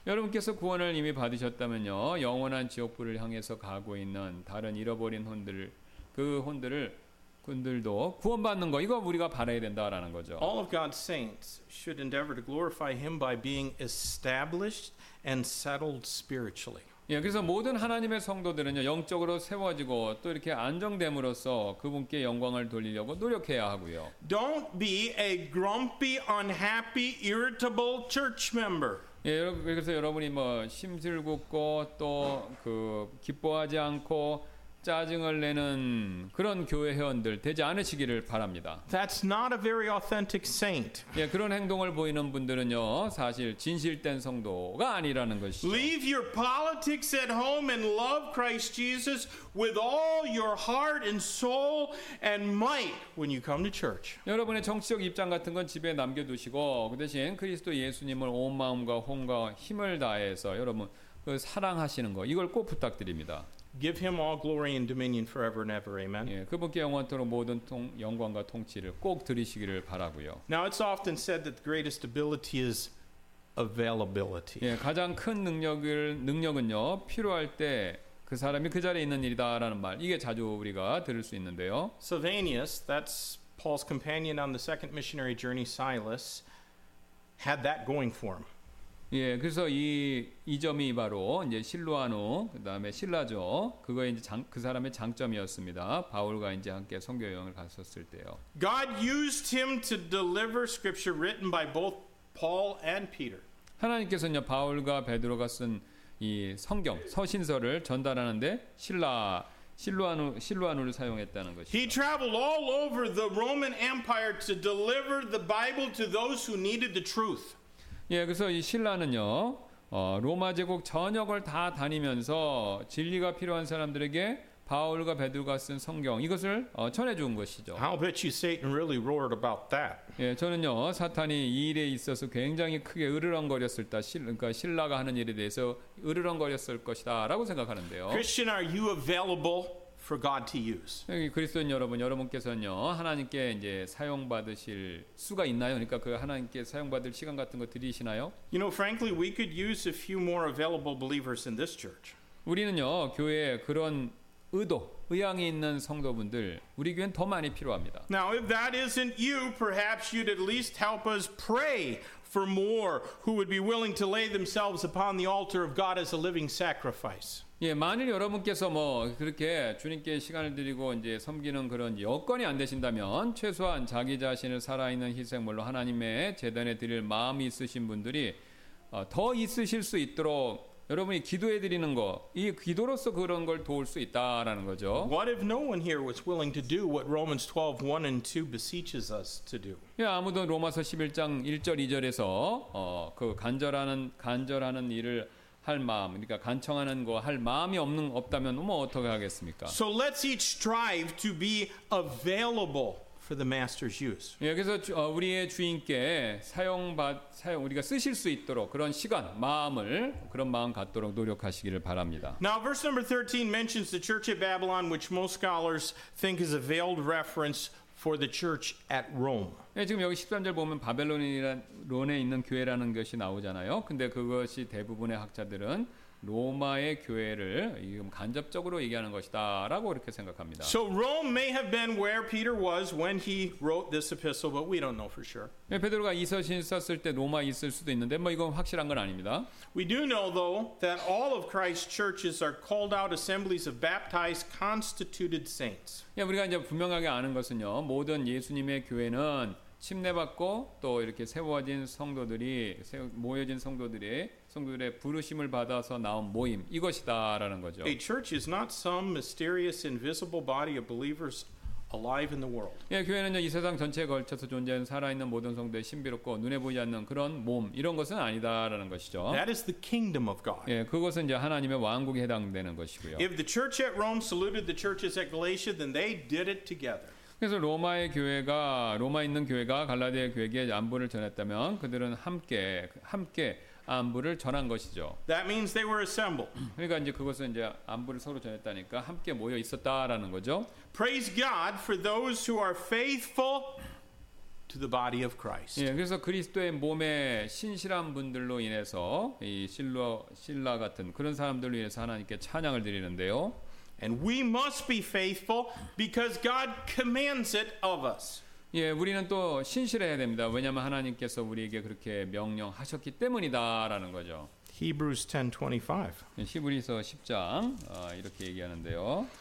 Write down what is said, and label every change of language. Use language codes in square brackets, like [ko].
[ko] 여러분께서 구원을 이미 받으셨다면요, 영원한 지옥불을 향해서 가고 있는 다른 잃어버린 혼들, 그 혼들을 군들도 구원받는 거, 이거 우리가 바라야 된다라는 거죠. [en] All of God's saints should endeavor to glorify Him by being established and settled spiritually. [ko] 예, 그래서 모든 하나님의 성도들은요, 영적으로 세워지고 또 이렇게 안정됨으로써 그분께 영광을 돌리려고 노력해야 하고요. [en] Don't be a grumpy, unhappy, irritable church member. [ko] 예, 그래서 여러분이 뭐 심술궂고 또 그 기뻐하지 않고 짜증을 내는 그런 교회 회원들 되지 않으시기를 바랍니다. [en] That's not a very authentic saint. [ko] 예, 그런 행동을 보이는 분들은요, 사실 진실된 성도가 아니라는 것이죠. [en] Leave your politics at home and love Christ Jesus with all your heart and soul and might when you come to church. [ko] 여러분의 정치적 입장 같은 건 집에 남겨 두시고 그 대신 그리스도 예수님을 온 마음과 혼과 힘을 다해서 여러분 그 사랑하시는 거 이걸 꼭 부탁드립니다. [en] Give him all glory and dominion forever and ever. Amen. [ko] 예, 그분께 영원토록 모든 영광과 통치를 꼭 드리시기를 바라고요. [en] Now it's often said that the greatest ability is availability. [ko] 예, 가장 큰 능력은요. 필요할 때 그 사람이 그 자리에 있는 일이다라는 말. 이게 자주 우리가 들을 수 있는데요. [en] Silvanus, that's Paul's companion on the second missionary journey, Silas, had that going for him. [ko] 예, 그래서 이 점이 바로 이제 실루아노 그다음에 실라죠. 그거 이제 그 사람의 장점이었습니다. 바울과 이제 함께 선교 여행을 갔었을 때요. [en] God used him to deliver scripture written by both Paul and Peter. [ko] 하나님께서는요, 바울과 베드로가 쓴 이 성경 서신서를 전달하는데 실루아노를 사용했다는 것이죠. [en] He traveled all over the Roman Empire to deliver the Bible to those who needed the truth. [ko] 예, 그래서 이 신라는요, 로마 제국 전역을 다 다니면서 진리가 필요한 사람들에게 바울과 베드로가 쓴 성경 이것을 전해 준 것이죠. [en] I'll bet you Satan really roared about that. [ko] 예, 저는요 사탄이 이 일에 있어서 굉장히 크게 으르렁거렸을까, 그러니까 신라가 하는 일에 대해서 으르렁거렸을 것이다라고 생각하는데요. [en] Christian, are you available for God to use? [ko] 그리스도인 여러분, 여러분께서는요 하나님께 이제 사용받으실 수가 있나요? 그러니까 그 하나님께 사용받을 시간 같은 거 드리시나요? [en] You know, frankly, we could use a few more available believers in this church. [ko] 우리는요 교회에 그런 의도, 의향이 있는 성도분들 우리 교회는 더 많이 필요합니다. [en] Now if that isn't you, perhaps you'd at least help us pray for more who would be willing to lay themselves upon the altar of God as a living sacrifice. [ko] 예, 만일 여러분께서 뭐 그렇게 주님께 시간을 드리고 이제 섬기는 그런 여건이 안 되신다면 최소한 자기 자신을 살아있는 희생물로 하나님의 제단에 드릴 마음이 있으신 분들이 더 있으실 수 있도록 여러분이 기도해 드리는 거, 이 기도로서 그런 걸 도울 수 있다라는 거죠. [en] What if no one here was willing to do what Romans 12:1 and 2 beseeches us to do? [ko] 예, 아무도 로마서 11장 1절 2절에서 그 간절하는 일을 할 마음, 그러니까 간청하는 거 할 마음이 없다면 뭐 어떻게 하겠습니까? [en] So let's each strive to be available for the master's use. [ko] 예, 그래서 우리의 주인께 사용 우리가 쓰실 수 있도록 그런 시간, 마음을 그런 마음 갖도록 노력하시기를 바랍니다. [en] Now verse number 13 mentions the church at Babylon, which most scholars think is a veiled reference for the church at Rome. [ko] 예, 지금 여기 13절 보면 바벨론에 있는 교회라는 것이 나오잖아요. 근데 그것이 대부분의 학자들은 로마의 교회를 간접적으로 얘기하는 것이다라고 이렇게 생각합니다. [en] So Rome may have been where Peter was when he wrote this epistle, but we don't know for sure. [ko] 예, 베드로가 이 서신 썼을 때 로마에 있을 수도 있는데 뭐 이건 확실한 건 아닙니다. [en] We do know though that all of Christ's churches are called out assemblies of baptized constituted saints. [ko] 예, 우리가 이제 분명하게 아는 것은요. 모든 예수님의 교회는 침례받고 또 이렇게 세워진 성도들이 모여진 성도들의 부르심을 받아서 나온 모임 이것이다라는 거죠. [en] A church is not some mysterious invisible body of believers alive in the world. [ko] 예, 교회는요 이 세상 전체에 걸쳐서 존재하는 살아있는 모든 성도의 신비롭고 눈에 보이지 않는 그런 몸 이런 것은 아니다라는 것이죠. [en] That is the kingdom of God. [ko] 예, 그것은 이제 하나님의 왕국에 해당되는 것이고요. [en] If the church at Rome saluted the churches at Galatia, then they did it together. [ko] 그래서 로마에 있는 교회가 갈라디아 교회에게 안부를 전했다면 그들은 함께 안부를 전한 것이죠. [en] That means they were assembled. [ko] 그러니까 이제 그것은 이제 안부를 서로 전했다니까 함께 모여 있었다라는 거죠. [en] Praise God for those who are faithful to the body of Christ. [ko] 예, 그래서 그리스도의 몸에 신실한 분들로 인해서 이 신라 같은 그런 사람들로 인해서 하나님께 찬양을 드리는데요. [en] And we must be faithful because God commands it of us. [ko] 예, 우리는 또 신실해야 됩니다. 왜냐하면 하나님께서 우리에게 그렇게 명령하셨기 때문이다라는 거죠. [en] Hebrews 10:25. [ko] 히브리서 10장 이렇게 얘기하는데요.